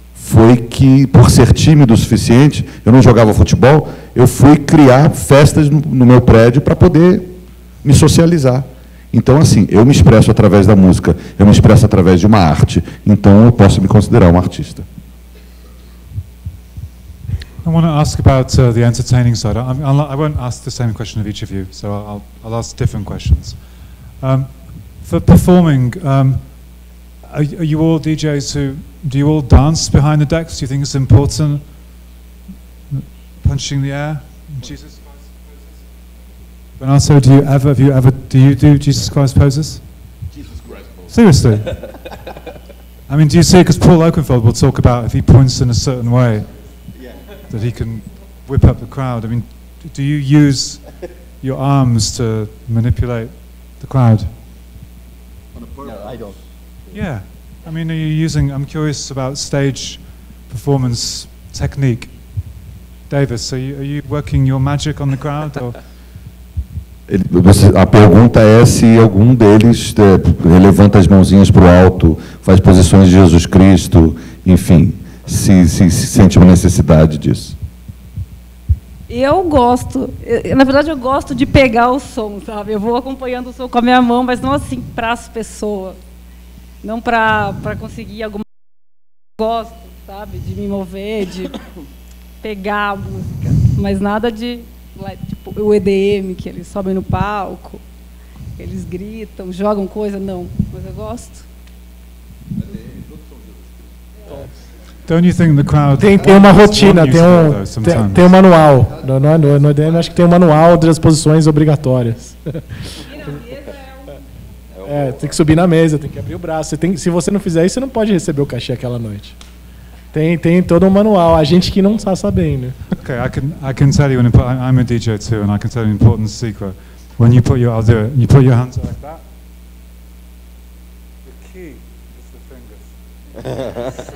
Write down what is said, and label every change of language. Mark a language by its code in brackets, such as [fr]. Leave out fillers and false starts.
[pt] foi que, por ser tímido o suficiente, eu não jogava futebol, eu fui criar festas no meu prédio para poder me socializar. Então, assim, eu me expresso através da música, eu me expresso através de uma arte, então eu posso me considerar um artista. [en] I want to ask about the entertaining side. I won't ask the same question of each of you, so I'll ask different questions. For performing, are you all DJs who, do you all dance behind the decks? Do you think it's important, punching the air? Jesus Christ poses? Bernardo, do you do Jesus Christ poses? Jesus Christ poses. Seriously? I mean, do you see, because Paul Oakenfold will talk about if he points in a certain way, that he can whip up the crowd. I mean, do you use your arms to manipulate the crowd? On a purpose? No, I don't. Yeah. I mean, are you using, I'm curious about stage performance technique. Davis, are you working your magic on the crowd? Or? [pt] A pergunta é se algum deles levanta as mãozinhas para o alto, faz posições de Jesus Cristo, enfim. Se sente uma necessidade disso. Eu gosto. Na verdade, eu gosto de pegar o som, sabe? Eu vou acompanhando o som com a minha mão, mas não assim para as pessoas. Não para conseguir alguma coisa. Eu gosto, sabe? De me mover, de pegar a música. Mas nada de... Tipo, o EDM, que eles sobem no palco, eles gritam, jogam coisa. Não. Mas eu gosto. [en] Don't you think the crowd [pt] tem uma rotina, tem um manual. No EDM acho que tem um manual das posições obrigatórias. Subir na mesa é um... É, tem que subir na mesa, tem que abrir o braço. Se você não fizer isso, você não pode receber o cachê aquela noite. Tem todo um manual, a gente que não está sabendo. [en] Ok, I can tell you, I'm a DJ too, and I can tell you an important secret. When you put your, I'll do it, you put your hands like that. The key is the fingers.